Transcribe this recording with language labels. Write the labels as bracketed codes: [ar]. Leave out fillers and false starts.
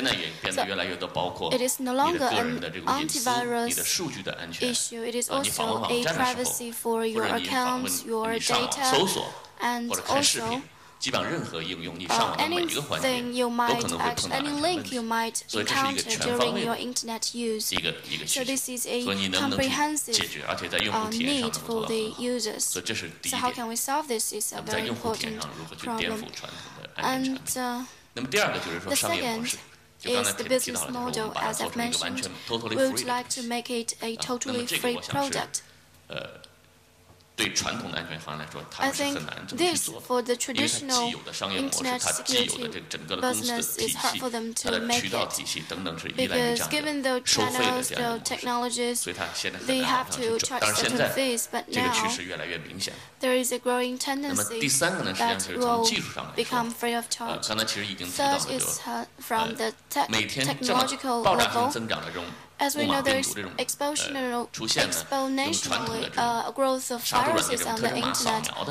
[en] it is no longer an antivirus issue, it is also a privacy for your accounts, your data, and also. [zh] 基本上任何应用，你上网的每一个环节，都可能会碰到这个问题。所以这是一个全方面的一个需求。所以你能不能解决，而且在用户体验上怎么做到很好？所以这是第一点。 [en] this is a comprehensive need for the users. So how can we solve this? Is a very important problem. And the second is the business model, as I've mentioned. We would like to make it a totally free product. [zh] 对传统的安全行业来说，它是很难这么去做的，因为它既有的商业模式，它既有的这个整个的公司的体系、它的渠道体系等等，是依赖于这样的收费的这样的模式，所以它现在很难去做。但是现在这个趋势越来越明显。 [en] There is a growing tendency that will become free of charge. Third is from the technological level. As we know, there is exponentially growth of viruses on the internet.